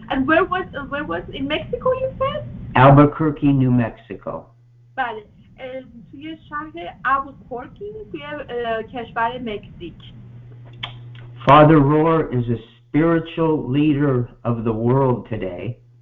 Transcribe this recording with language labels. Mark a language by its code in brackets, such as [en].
[en] And where was in Mexico you said? Albuquerque, New Mexico. [fa] بله. توی شهر آلبوکورکی توی کشور مکزیک. [en] Father Rohr is a spiritual leader of the world today.